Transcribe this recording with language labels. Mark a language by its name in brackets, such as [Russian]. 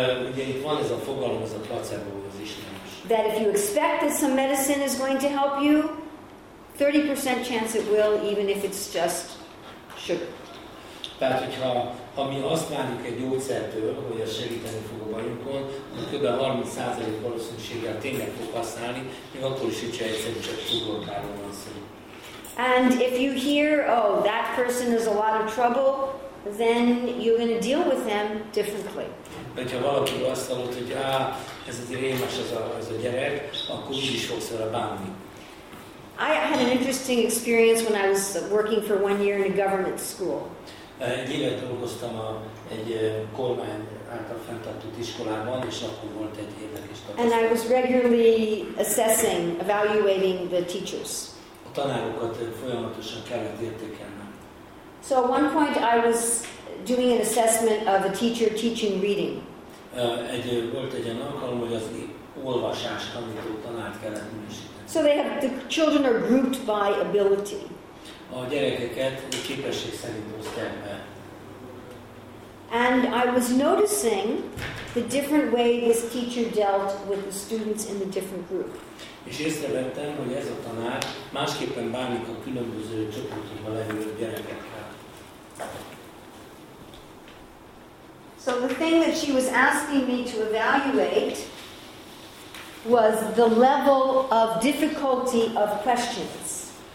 [Hungarian] Ugye itt van ez a fogalom, ez a placebo, az ismerős. [English] That if you expect that some medicine is going to help you, 30% chance it will, even if it's just sugar. [Hungarian] Tehát, hogyha mi azt várjuk egy gyógyszertől, hogy az segíteni fog a bajunkon, akkor kb. 30% valószínűséggel tényleg fog használni, még akkor is, hogyha egyszerűen csak cukorkáról van szó. [English] And if you hear, oh, that person is a lot of trouble, then you're going to deal with them differently. [Hungarian] Hogyha valaki azt hallott, hogy ez az rémes az a gyerek, akkor úgy is fogsz vele bánni. [English] I had an interesting experience when I was working for one year in a government school. [Hungarian] Egy évet dolgoztam egy kormány által fenntartott iskolában, és akkor volt egy érdekes tapasztalat. [English] And I was regularly assessing, evaluating the teachers. [Hungarian] A tanárokat folyamatosan kellett értékelnem. [English] So at one point I was doing an assessment of a teacher teaching reading. [Hungarian] Volt egy olyan alkalom, hogy az olvasást tanító tanárt kellett minősíteni. [English] So they have the children are grouped by ability. [Hungarian] A gyerekeket a képesség szerint osztják be. [English] And I was noticing the different way this teacher dealt with the students in the different group. [Hungarian] És észrevettem, hogy ez a tanár másképpen bánik a különböző csoportokban lévő gyerekekkel. [English] So the thing that she was asking me to evaluate was the level of difficulty of questions.